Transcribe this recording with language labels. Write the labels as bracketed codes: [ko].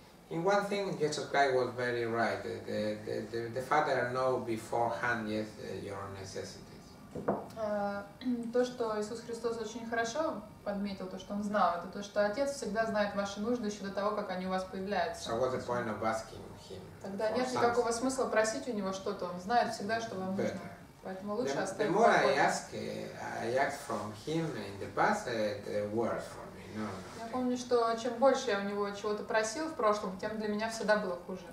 [en] In one thing, Jesus Christ was very right. The Father knows beforehand yes, your necessities. [ru] То, что Иисус Христос очень хорошо подметил, то, что он знал, это то, что Отец всегда знает ваши нужды еще до того, как они у вас появляются. [en] So what's the point of asking him? [ru] Тогда нет никакого смысла просить у него что-то. Он знает всегда, что вам [en] better. [ru] Нужно. Поэтому лучше [en] the, [ru] оставить. [en] The more I ask from him in the past, the worse for me. No. [ru] Я помню, что чем больше я у него чего-то просил в прошлом, тем для меня всегда было хуже.